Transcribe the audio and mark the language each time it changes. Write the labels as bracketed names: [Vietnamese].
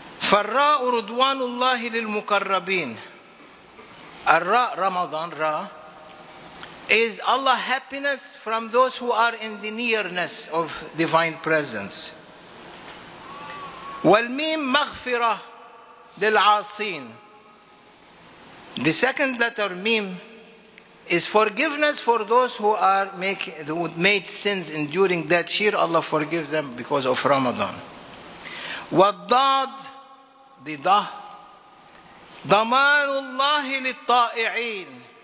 [Arabic] فراء رضوان الله للمقربين. الرَّاء رمضان راء [English] is Allah happiness from those who are in the nearness of divine presence. [Arabic] والميم مغفرة للعاصين. [English] The second letter ميم is forgiveness for those who are made sins in during that year. Allah forgives them because of Ramadan. [Arabic] والضاد ضمان الله للطائعين.